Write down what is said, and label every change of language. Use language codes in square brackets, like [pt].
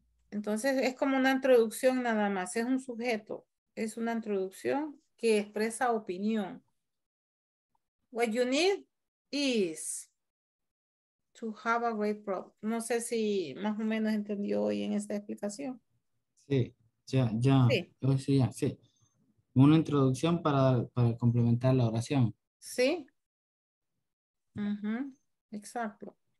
[es] Entonces es como una introducción nada más, es un sujeto, es una introducción que expresa opinión. [en] What you need is to have a great product. [es] No sé si más o menos entendió hoy en esta explicación. Sí, ya. Sí. Ya, sí. Una introducción para complementar la oración. Sí. Uh-huh. Exacto.